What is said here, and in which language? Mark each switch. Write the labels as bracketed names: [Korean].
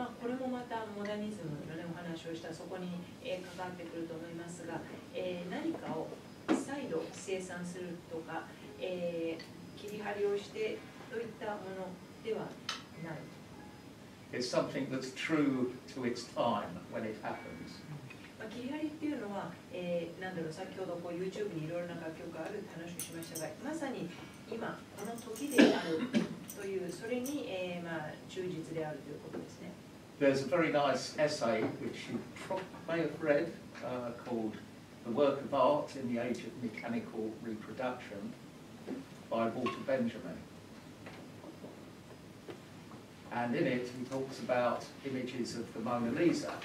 [Japanese] まあ、これもまたモダニズムの、ね、お話をしたそこに関わってくると思いますが、何かを再度生産するとか、切り張りをしてといったものではない。 [English] It's something that's true to its time when it happens. [Japanese] 切り張りっていうのは、なんだろう、先ほどこう YouTube にいろいろな楽曲があるって話をしましたが、まさに今この時であるという、それに、まあ、忠実であるということですね。 [English] There's a very nice essay which you may have read, called The Work of Art in the Age of Mechanical Reproduction by Walter Benjamin. And in it he talks about images of the Mona Lisa.